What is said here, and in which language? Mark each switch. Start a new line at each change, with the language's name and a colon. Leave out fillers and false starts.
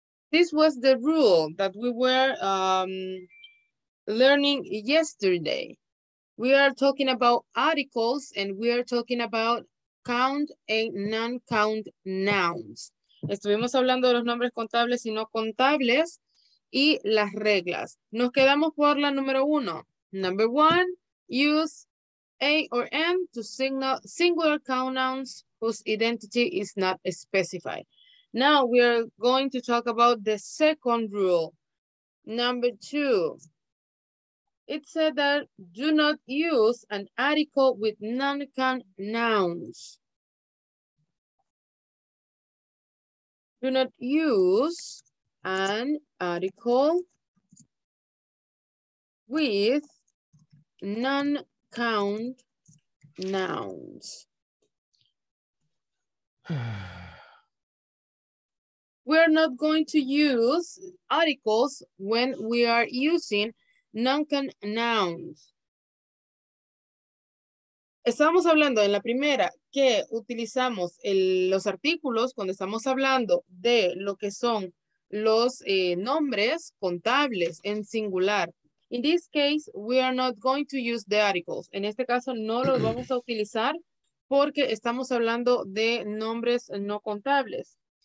English: This was the rule that we were learning yesterday. We are talking about articles and we are talking about count and non-count nouns.
Spanish: Estuvimos hablando de los nombres contables y no contables y las reglas. Nos quedamos por la número uno.
English: Number one, use A or N to signal singular count nouns whose identity is not specified. Now we are going to talk about the second rule. Number two, it said that do not use an article with non-count nouns. Do not use an article with non-count nouns. We're not going to use articles when we are using non-count nouns.
Spanish: Estamos hablando en la primera que utilizamos los artículos cuando estamos hablando de lo que son los nombres contables en singular.
English: In this case, we are not going to use the articles.
Spanish: En este caso, no los vamos a utilizar porque estamos hablando de nombres no contables.